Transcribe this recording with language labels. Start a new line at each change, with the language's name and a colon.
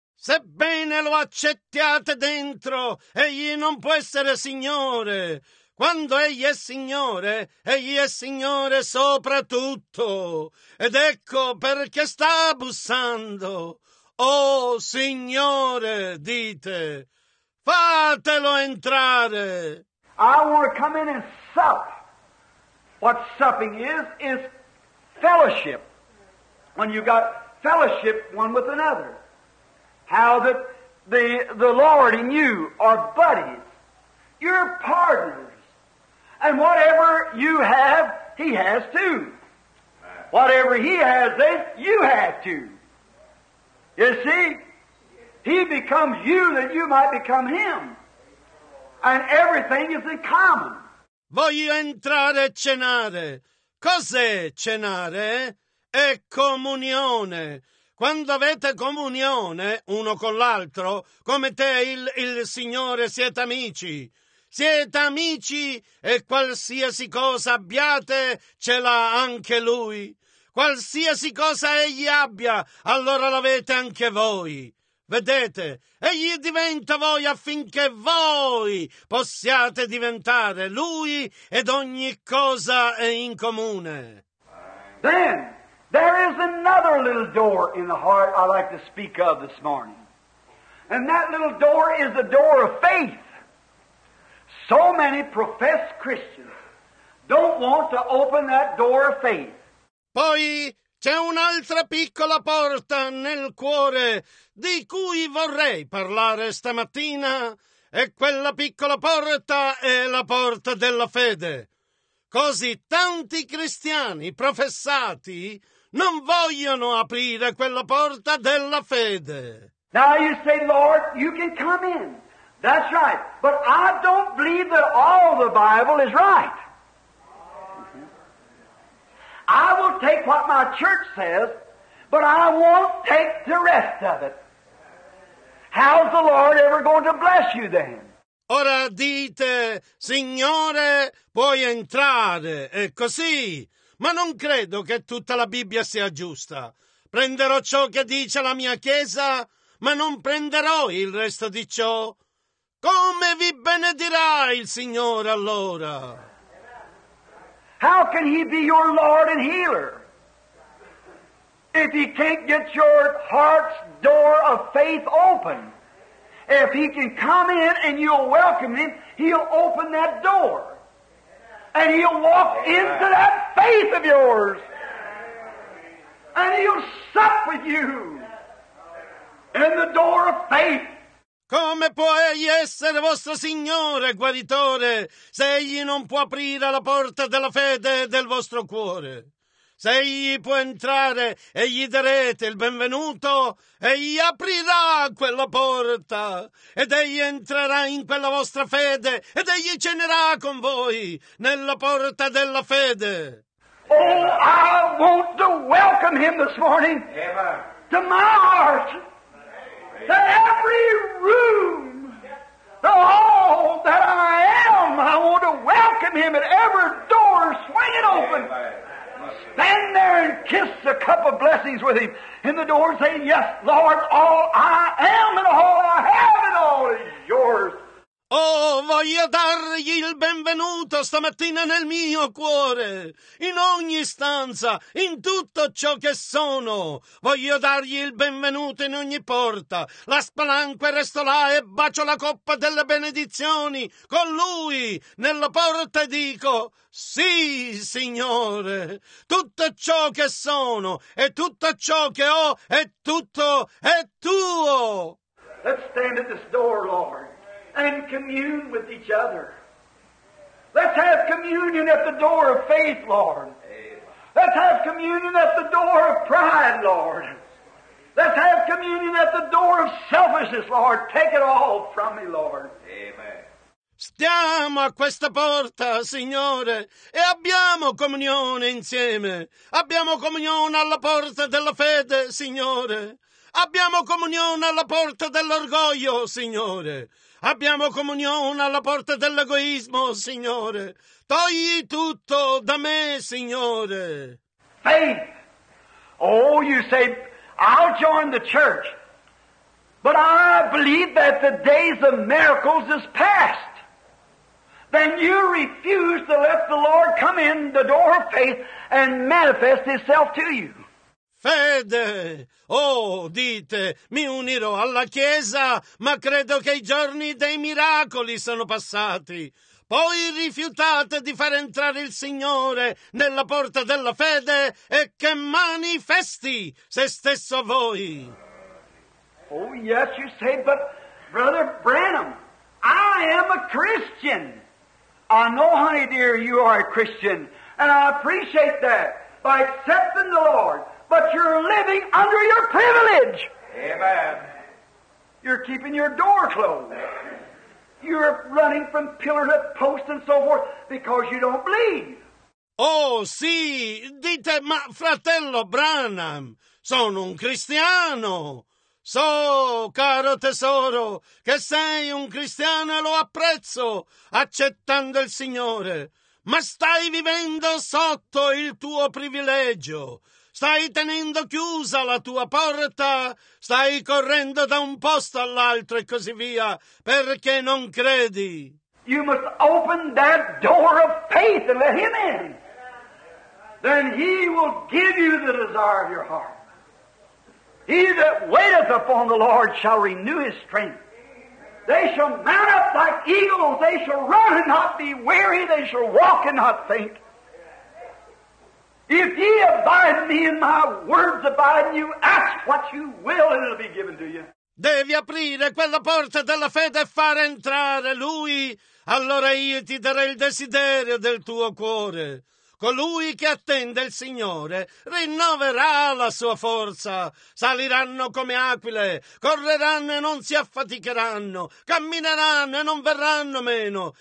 Italian: Sebbene lo accettiate dentro, egli non può essere Signore. Quando egli è Signore soprattutto. Ed ecco perché sta bussando. Oh Signore, dite, fatelo entrare.
English: I want to come in and sup. What supping is fellowship. When you got fellowship one with another. How that the Lord and you are buddies. You're partners. And whatever you have, he has too. Whatever he has, you have too. You see? He becomes you that you might become him. And everything is in common.
Italian: Voglio entrare a cenare. Cos'è cenare? È comunione. Quando avete comunione uno con l'altro, come te e il Signore siete amici. Siete amici e qualsiasi cosa abbiate ce l'ha anche Lui. Qualsiasi cosa Egli abbia, allora l'avete anche voi. Vedete, egli diventa voi affinché voi possiate diventare lui ed ogni cosa è in comune.
English: Then there is another little door in the heart I like to speak of this morning. And that little door is the door of faith. So many professed Christians don't want to open that door of faith.
Italian: Poi c'è un'altra piccola porta nel cuore di cui vorrei parlare stamattina, e quella piccola porta è la porta della fede. Così tanti cristiani professati non vogliono aprire quella porta della fede.
English: Now you say, Lord, you can come in. That's right. But I don't believe that all the Bible is right. I will take what my church says, but I won't take the rest of it. How's the Lord ever going to bless you then?
Italian: Ora dite, Signore, puoi entrare, è così. Ma non credo che tutta la Bibbia sia giusta. Prenderò ciò che dice la mia Chiesa, ma non prenderò il resto di ciò. Come vi benedirà il Signore allora?
English: How can he be your Lord and healer if he can't get your heart's door of faith open? If he can come in and you'll welcome him, he'll open that door. And he'll walk into that faith of yours. And he'll sup with you in the door of faith.
Italian: Come può egli essere vostro Signore, guaritore, se egli non può aprire la porta della fede del vostro cuore? Se egli può entrare e gli darete il benvenuto, egli aprirà quella porta, ed egli entrerà in quella vostra fede, ed egli cenerà con voi nella porta della fede.
English: Oh, I want to welcome him this morning to my heart. To every room, to all that I am, I want to welcome him at every door, swing it open. Stand there and kiss a cup of blessings with him in the door, saying, yes, Lord, all I am and all I have and all is yours.
Italian: Oh, voglio dargli il benvenuto stamattina nel mio cuore, in ogni stanza, in tutto ciò che sono. Voglio dargli il benvenuto in ogni porta. La spalanco e resto là e bacio la coppa delle benedizioni con lui nella porta e dico, sì, Signore, tutto ciò che sono e tutto ciò che ho è tutto, è tuo.
English: Let's stand at this door, Lord. And commune with each other. Let's have communion at the door of faith, Lord. Amen. Let's have communion at the door of pride, Lord. Let's have communion at the door of selfishness, Lord. Take it all from me, Lord.
Italian: Stiamo a questa porta, Signore, e abbiamo comunione insieme. Abbiamo comunione alla porta della fede, Signore. Abbiamo comunione alla porta dell'orgoglio, Signore. Abbiamo comunione alla porta dell'egoismo, Signore. Togli tutto da me, Signore.
English: Faith. Oh, you say, I'll join the church. But I believe that the days of miracles is past. Then you refuse to let the Lord come in the door of faith and manifest Himself to you.
Italian: Fede! Oh, dite, mi unirò alla Chiesa, ma credo che i giorni dei miracoli sono passati. Poi rifiutate di far entrare il Signore nella porta della fede e che manifesti se stesso voi.
English: Oh, yes, you say, but Brother Branham, I am a Christian. I know, honey dear, you are a Christian, and I appreciate that by accepting the Lord, but you're living under your privilege. Amen. You're keeping your door closed. You're running from pillar to post and so forth because you don't believe.
Italian: Oh, sì, dite, ma fratello Branham, sono un cristiano. So, caro tesoro, che sei un cristiano e lo apprezzo, accettando il Signore. Ma stai vivendo sotto il tuo privilegio. Stai tenendo chiusa la tua porta, stai correndo da un posto all'altro e così via, perché non credi.
English: You must open that door of faith and let him in. Then he will give you the desire of your heart. He that waiteth upon the Lord shall renew his strength. They shall mount up like eagles. They shall run and not be weary. They shall walk and not faint. If ye abide in me and my words abide in you, ask what you will and it will be given to you.
Italian: Devi aprire quella porta della fede e far entrare Lui. Allora io ti darei il desiderio del tuo cuore. Colui che attende il Signore rinnoverà la sua forza, saliranno come aquile, correranno e non si affaticheranno, cammineranno e non verranno meno.